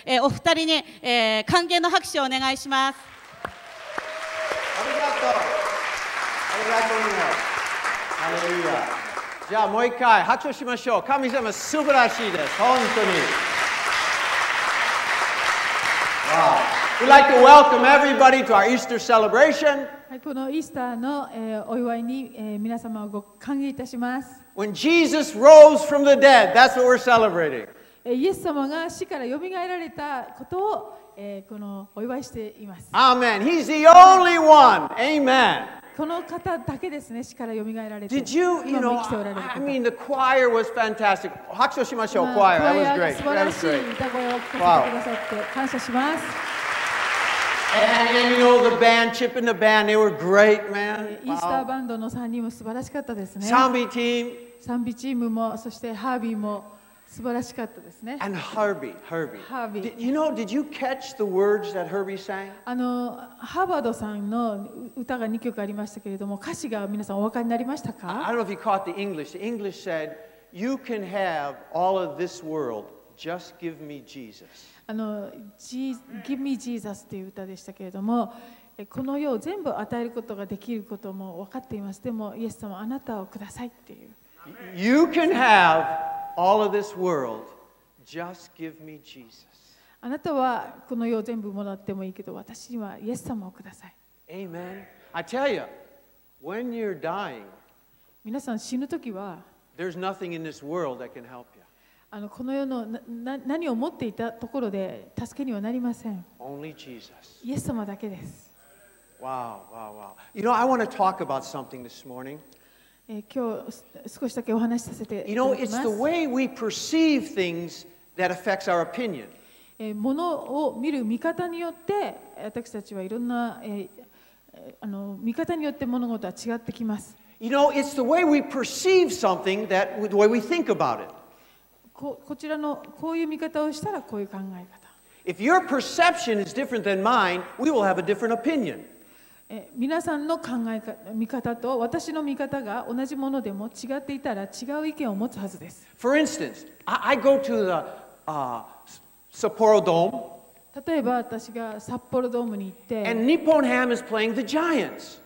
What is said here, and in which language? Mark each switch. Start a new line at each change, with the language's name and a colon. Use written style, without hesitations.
Japanese: お二人に、歓迎の拍手をお願いします。ありがとう、ありがとう。ハレルヤ。じゃあもう一回拍手しましょう。神様素晴らしいです、本当に。
English: We'd like to welcome everybody to our Easter celebration.
Japanese: このイースターのお祝いに皆様をご歓迎いたします。
English: When Jesus rose from the dead, that's what we're celebrating.
Japanese: イエス様が死から蘇られたことをこのお祝いしています。
English: Amen. He's the only one. Amen.
Japanese: この方だけですね、死から蘇られて。
English: Did you, you know, I mean, the choir was fantastic.
Japanese: 拍手しましょう、
English: choir. That was great.
Japanese: 素晴らしい歌声を聴かせてくださって、感謝します。
English: And you know the band, Chip and the band, they were great, man.
Japanese: イースターバンドの3人も素晴らしかったですね。賛美チームも、そしてハービーも素晴らしかったですね。
English: And Herbie, Herbie. Herbie. Did, you know, did you catch the words that Herbie sang?
Japanese: あの、ハーバードさんの歌が2曲ありましたけれども、歌詞が皆さんお分かりになりましたか?
English: I don't know if you caught the English. The English said, you can have all of this world, just give me Jesus.
Japanese: あの、
English: Give me Jesus
Japanese: っていう歌でしたけれども、この世を全部与えることができることも分かっています。でも、イエス様、あなたをくださいっていう。
English: You can haveAll of this world, just give me Jesus.
Japanese: あなたはこの世を全部もらってもいいけど、私にはイエス様をください。
English: Amen. I tell you, when you're dying,
Japanese: 皆さん死ぬときは、
English: there's nothing in this world that can help you.
Japanese: あのこの世の何を持っていたところで助けにはなりません。
English: Only Jesus.
Japanese: イエス様だけです。
English: Wow, wow, wow. You know, I want to talk about something this morning.
Japanese: 今日少しだけお話しさせていただきます。
English: You know, it's the way we perceive things that affects our opinion.
Japanese: 物を見る見方によって、私たちはいろんな、あの見方によって物事は違ってきます。
English: You know, it's the way we perceive something that the way we think about it.
Japanese: こちらのこういう見方をしたらこういう考え方。
English: If your perception is different than mine, we will have a different opinion.
Japanese: 皆さんの考え見方と私の見方が同じものでも違っていたら違う意見を持つはずです。
English: For instance, I go to the Sapporo Dome.
Japanese: 例えば私が札幌ドームに行って、
English: And Nippon Ham is playing the Giants.